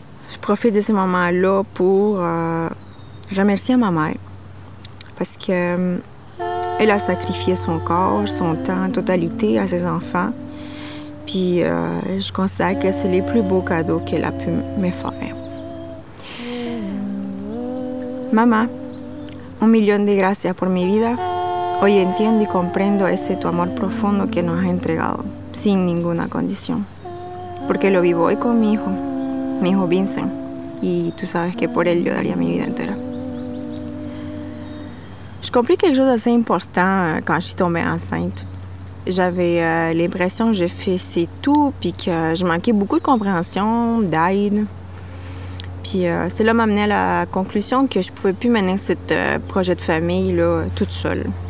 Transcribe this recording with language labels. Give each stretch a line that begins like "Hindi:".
French: Je profite de ce moment-là pour remercier ma mère parce que elle a sacrifié son corps, son temps, totalité à ses enfants. Puis je considère que c'est les plus beaux cadeaux qu'elle a pu me faire.
Spanish: Maman, un million de gracias por mi vida. Hoy entiendo y comprendo ese tu amor profundo que nos has entregado, sin ninguna condición. Porque lo vivo hoy con mi hijo Vincent. Y tú sabes que por él yo daría mi vida entera.
French: Je compris quelque chose d'assez important quand je suis tombée enceinte. J'avais l'impression que j'ai fait tout puis que je manquais beaucoup de compréhension, d'aide. Puis cela m'a amené à la conclusion que je pouvais plus mener ce projet de famille là, toute seule.